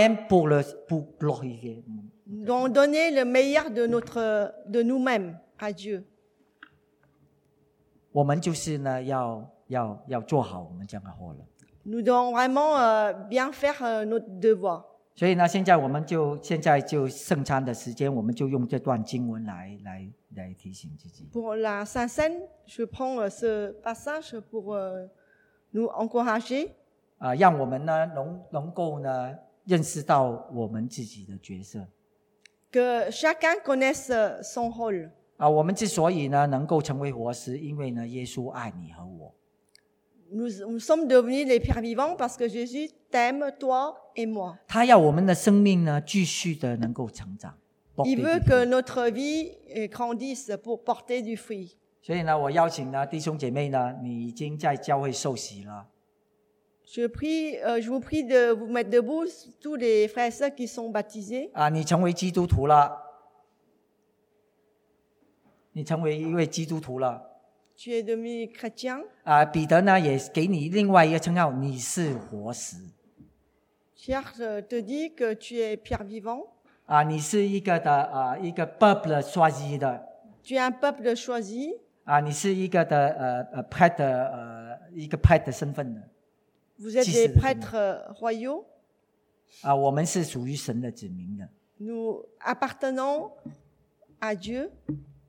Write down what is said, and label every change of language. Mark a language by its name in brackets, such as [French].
[French] Nous devons donner le meilleur de nous-mêmes à Dieu. Nous devons vraiment bien faire notre devoir. [Chinese] 所以呢, 现在就圣餐的时间，我们就用这段经文来提醒自己。 [French] Pour la Sainte-Seine, je prends ce passage pour nous encourager. [Chinese] 让我们呢能够呢认识到我们自己的角色。 [French] Que chacun connaisse son rôle. [Chinese] 我们之所以呢能够成为活尸，因为呢耶稣爱你和我。 [French] Nous sommes devenus les pierres vivantes parce que Jésus t'aime toi et moi. [Chinese] 他要我们的生命呢继续的能够成长。 [French] Il veut que notre vie grandisse pour porter du fruit. [Chinese] 所以呢我邀请呢弟兄姐妹呢，你已经在教会受洗了。 [French] Je vous prie de vous mettre debout tous les frères et sœurs qui sont baptisés. [Chinese] 你成为基督徒了。你成为一位基督徒了。 [French] Tu es devenu chrétien. [Chinese] 彼得呢也给你另外一个称号，你是活石。 [French] Pierre te dit que tu es pierre vivant. [Chinese] 你是一个的一个 [French] peuple choisi [Chinese] 的。 [French] Tu es un peuple choisi. [Chinese] 你是一个的prêtre一个 prêtre 身份的。 [French] Vous êtes des prêtres royaux. [Chinese] 我们是属于神的子民的。 [French] Nous appartenons à Dieu.